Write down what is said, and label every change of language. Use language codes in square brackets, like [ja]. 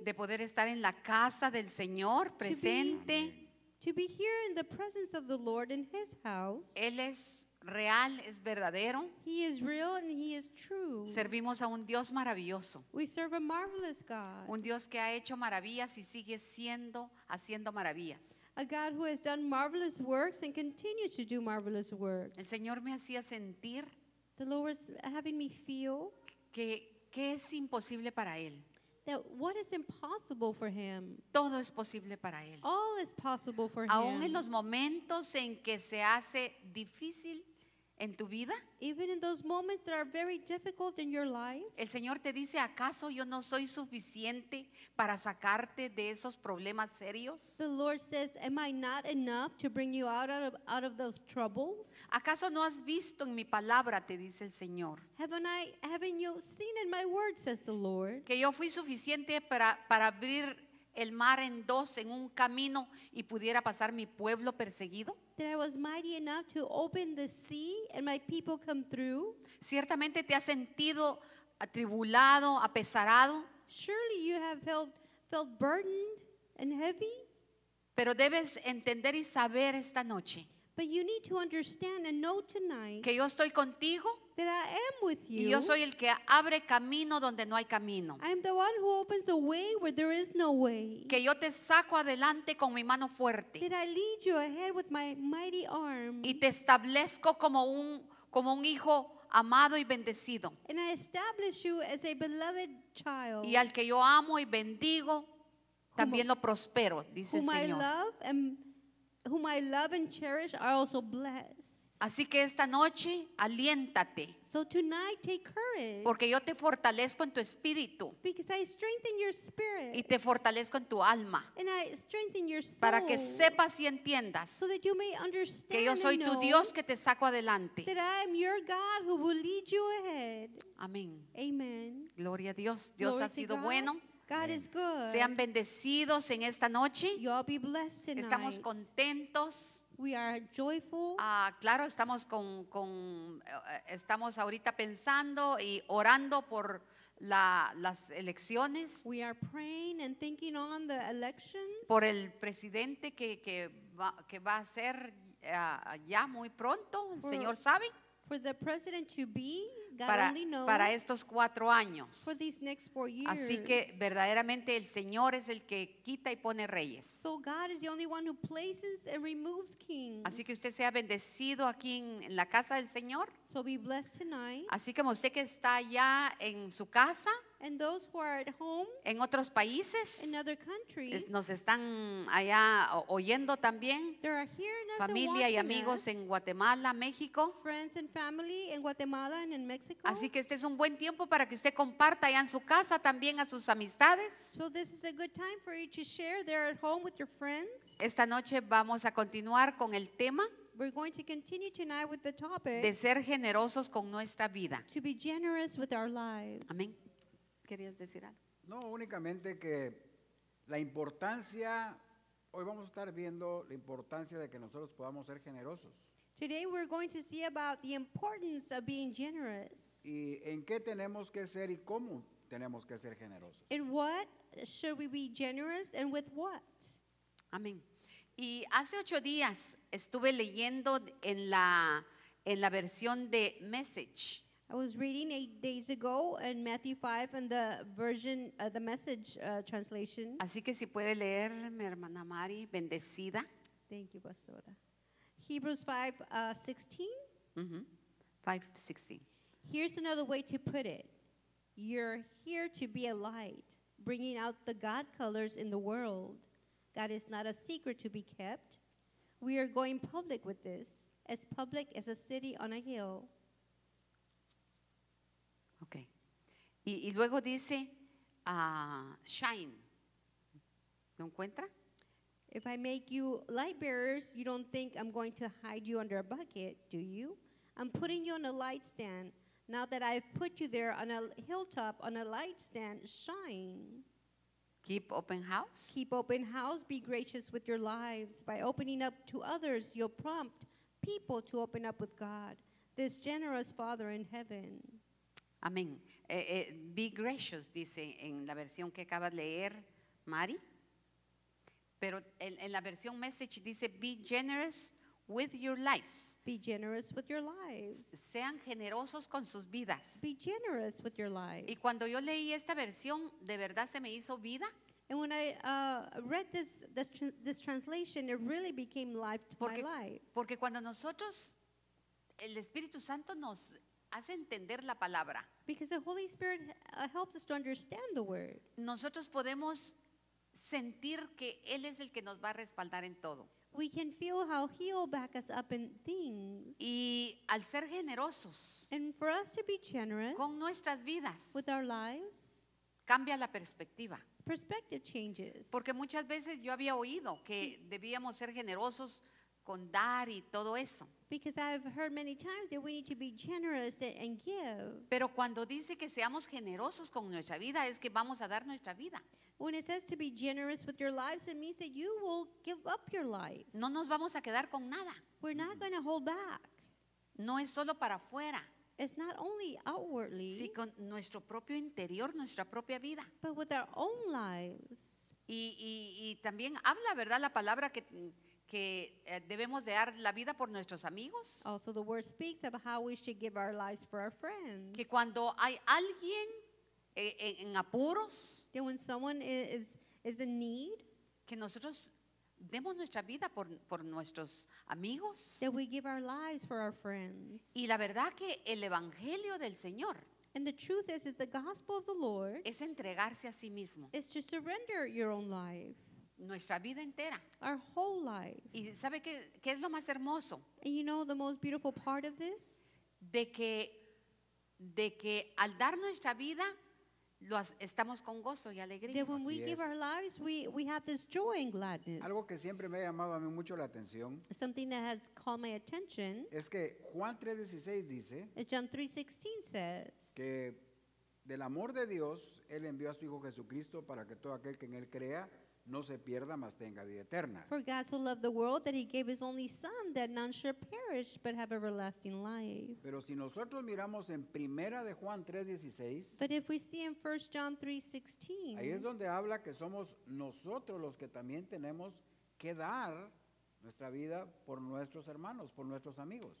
[es] De poder estar en la casa del Señor presente. [en] To be here in the presence of the Lord in His house. [es] Él es real, es verdadero. [en] He is real and He is true. [es] Servimos a un Dios maravilloso. [en] We serve a marvelous God. [es] Un Dios que ha hecho maravillas y sigue haciendo maravillas. [en] A God who has done marvelous works and continues to do marvelous works. [es] El Señor me hacía sentir. [en] The Lord is having me feel [es] que es imposible para él. [en] That what is impossible for him. [es] Todo es posible para él. [en] All is possible for him. [es] En los momentos en que se hace difícil en tu vida. [en] Even in those moments that are very difficult in your life. [es] El Señor te dice, ¿acaso yo no soy suficiente para sacarte de esos problemas serios? [en] The Lord says, am I not enough to bring you out of those troubles? [es] ¿Acaso no has visto en mi palabra, te dice el Señor? [en] Haven't you seen in my word, says the Lord. [es] Que yo fui suficiente para abrir el mar en dos en un camino y pudiera pasar mi pueblo perseguido. [en] That I was mighty enough to open the sea and my people come through. [es] Ciertamente te has sentido atribulado, apesarado. [en] Surely you have felt burdened and heavy. [es] Pero debes entender y saber esta noche. [en] But you need to understand and know tonight. [es] Que yo estoy contigo. [en] That I am with you. [es] Y yo soy el que abre camino donde no hay camino. [en] I am the one who opens a way where there is no way. [es] Que yo te saco adelante con mi mano fuerte. [en] That I lead you ahead with my mighty arm. [es] Y te establezco como un hijo amado y bendecido. [en] And I establish you as a beloved child. [es] Y al que yo amo y bendigo, también lo prospero, dice el Señor. [en] Whom I love and cherish, I also bless. [es] Así que esta noche, aliéntate. [en] So tonight, take courage. [es] Porque yo te fortalezco en tu espíritu. [en] Because I strengthen your spirit. [es] Y te fortalezco en tu alma. [en] And I strengthen your soul. [es] Para que sepas y entiendas. [en] So that you may understand. [es] Que yo soy tu Dios que te saco adelante. [en] That I am your God who will lead you ahead. [es] Amén. [en] Amen. [es] Gloria a Dios. Dios ha sido bueno. [en] God is good. [es] Sean bendecidos en esta noche. [en] You'll be blessed tonight. [es] Estamos contentos. [en] We are joyful. [es] Claro, estamos con estamos ahorita pensando y orando por las elecciones. [en] We are praying and thinking on the elections. [es] Por el presidente que va a ser ya muy pronto, el Señor sabe. [en] For the president to be, God [es] para, [en] only knows. [es] Para estos 4 años. [en] For these next 4 years. [es] Así que verdaderamente el Señor es el que quita y pone reyes. [en] So God is the only one who places and removes kings. [es] Así que usted sea bendecido aquí en la casa del Señor. [en] So be blessed tonight. [es] Así como usted que está allá en su casa. [en] And those who are at home. [es] En otros países. [en] In other countries. [es] Nos están allá oyendo también. [en] They are hearing us. [es] Familia y amigos en Guatemala, México. [en] Friends and family in Guatemala and in Mexico. [es] Así que este es un buen tiempo para que usted comparta allá en su casa también a sus amistades. [en] So this is a good time for you to share there at home with your friends. [es] Esta noche vamos a continuar con el tema. [en] We're going to continue tonight with the topic. [es] De ser generosos con nuestra vida. [en] To be generous with our lives. [es] Amén. ¿Querías decir algo? No, únicamente que la importancia, hoy vamos a estar viendo la importancia de que nosotros podamos ser generosos. [en] Today we're going to see about the importance of being generous. [es] Y en qué tenemos que ser y cómo tenemos que ser generosos. [en] In what should we be generous and with what? [es] Amén. Y hace 8 días estuve leyendo en la versión de Message. [en] I was reading 8 days ago in Matthew 5 in the version, the Message translation. [es] Así que si puede leer, mi hermana Mari, bendecida. [en] Thank you, Pastora. Hebrews 5:16. Mm-hmm. 5:16. Here's another way to put it. You're here to be a light, bringing out the God colors in the world. God is not a secret to be kept. We are going public with this, as public as a city on a hill. [es] Okay. Y luego dice shine. ¿Lo encuentra? [en] If I make you light bearers, you don't think I'm going to hide you under a bucket, do you? I'm putting you on a light stand. Now that I've put you there on a hilltop on a light stand, shine. Keep open house. Keep open house. Be gracious with your lives. By opening up to others, you'll prompt people to open up with God, this generous Father in heaven. [es] Amén. [en] Be gracious, [es] dice en la versión que acaba de leer Mari. Pero en la versión Message dice, [en] be generous with your lives. Be generous with your lives. [es] Sean generosos con sus vidas. [en] Be generous with your lives. [es] Y cuando yo leí esta versión, de verdad se me hizo vida. [en] And when I read this translation, it really became life to [es] porque, [en] my life. [es] Porque cuando nosotros, el Espíritu Santo nos hace entender la palabra. [en] Because the Holy Spirit helps us to understand the word. [es] Nosotros podemos sentir que Él es el que nos va a respaldar en todo. [en] We can feel how He'll back us up in things. [es] Y al ser generosos. [en] And for us to be generous. [es] Con nuestras vidas. [en] With our lives. [es] Cambia la perspectiva. [en] Perspective changes. [es] Porque muchas veces yo había oído que debíamos ser generosos con dar y todo eso. [en] Because I've heard many times that we need to be generous and give. [es] Pero cuando dice que seamos generosos con nuestra vida, es que vamos a dar nuestra vida. [en] When it says to be generous with your lives, it means that you will give up your life. [es] No nos vamos a quedar con nada. [en] We're not going to hold back. [es] No es solo para afuera. [en] It's not only outwardly. [es] Sí, con nuestro propio interior, nuestra propia vida. [en] But with our own lives. [es] Y también habla, ¿verdad? La palabra que debemos de dar la vida por nuestros amigos. [en] Also the word speaks of how we should give our lives for our friends. [es] Que cuando hay alguien en apuros, [en] that when someone is in need, [es] que nosotros demos nuestra vida por nuestros amigos, [en] that we give our lives for our friends. [es] Y la verdad que el evangelio del Señor, [en] and the truth is the gospel of the Lord, [es] es entregarse a sí mismo, [en] is to surrender your own life. [es] Nuestra vida entera. [en] Our whole life. [es] ¿Y sabe qué es lo más hermoso? [en] And you know the most beautiful part of this? [es] De que al dar nuestra vida, estamos con gozo y alegría. [en] That when we give our lives, we have this joy and gladness. [es] Algo que siempre me ha llamado a mí mucho la atención. [en] Something that has caught my attention. [es] Es que Juan 3:16 dice. [en] John 3:16 says. [es] Que del amor de Dios, Él envió a su Hijo Jesucristo para que todo aquel que en Él crea no se pierda, mas tenga vida eterna. [en] For God so loved the world that He gave His only Son, that none should perish, but have everlasting life. [es] Pero si nosotros miramos en Primera de Juan 3:16, [en] but if we see in 1 John 3:16, [es] ahí es donde habla que somos nosotros los que también tenemos que dar nuestra vida por nuestros hermanos, por nuestros amigos.